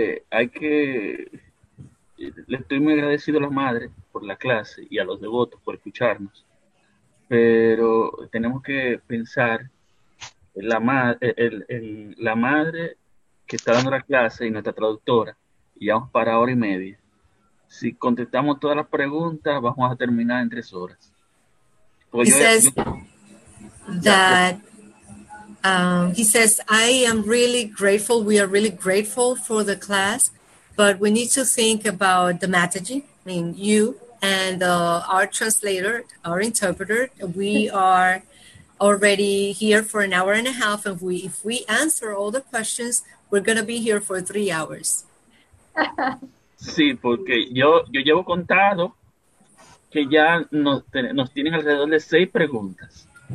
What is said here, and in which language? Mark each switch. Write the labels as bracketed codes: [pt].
[es] Hay que le estoy muy agradecido a la madre por la clase y a los devotos por escucharnos, pero tenemos que pensar en la madre que está dando la clase y nuestra traductora, y vamos para hora y media. Si contestamos todas las preguntas, vamos a terminar en 3 horas. [en] Pues he, says that he says, I am really grateful. We are really grateful for the class, but we need to think about the Mataji, I mean, you and our translator, our interpreter. We are already here for an hour and a half. And if we answer all the questions, we're going to be here for 3 hours. [es] Sí, porque yo llevo contado que ya nos tienen alrededor de 6 preguntas.